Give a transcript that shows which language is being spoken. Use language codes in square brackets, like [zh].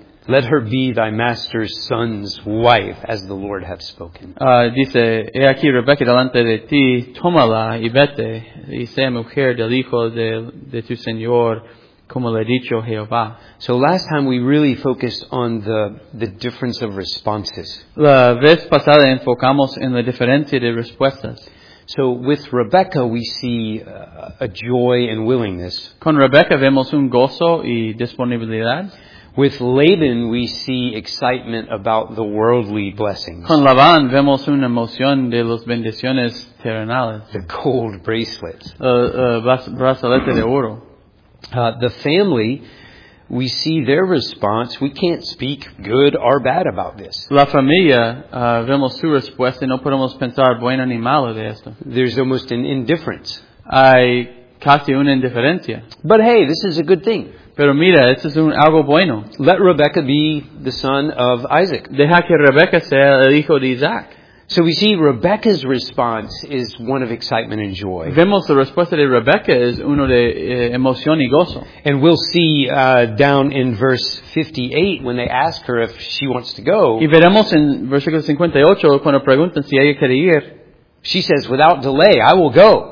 [en] Let her be thy master's son's wife, as the Lord hath spoken. [es] Dice, he aquí Rebeca delante de ti, tómala y vete, y sea mujer del hijo de tu señor, como le ha dicho Jehová. [en] So last time we really focused on the difference of responses. [es] La vez pasada enfocamos en la diferencia de respuestas. [en] So with Rebecca we see a joy and willingness. [es] Con Rebeca vemos un gozo y disponibilidad. [en] With Laban, we see excitement about the worldly blessings. [es] Con Labán vemos una emoción de las bendiciones terrenales. [en] The gold bracelets. [es] Brazalete de oro. [en] The family, we see their response. We can't speak good or bad about this. [es] La familia, vemos su respuesta y no podemos pensar bueno ni malo de esto. [en] There's almost an indifference. [es] Hay casi una indiferencia. [en] But hey, this is a good thing. [es] Pero mira, esto es algo bueno. [en] Let Rebecca be the son of Isaac. [es] Deja que Rebecca sea el hijo de Isaac. [en] So we see Rebecca's response is one of excitement and joy. [es] Vemos la respuesta de Rebecca es uno de emoción y gozo. [en] And we'll see down in verse 58 when they ask her if she wants to go. [es] Y veremos en versículo 58 cuando preguntan si ella quiere ir. [en] She says, without delay, I will go.